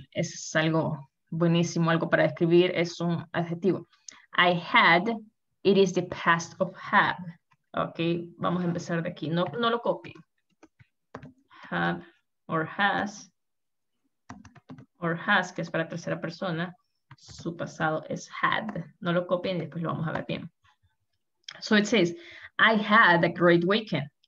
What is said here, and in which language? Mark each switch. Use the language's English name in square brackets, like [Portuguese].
[Spanish] Es algo buenísimo, algo para describir, es un adjetivo. [English] I had, it is the past of have. [Spanish] Okay, vamos a empezar de aquí. No, no lo copien. Have or has. Or has, que es para tercera persona. Su pasado es had. No lo copien y después lo vamos a ver bien. [English] So it says, I had a great weekend.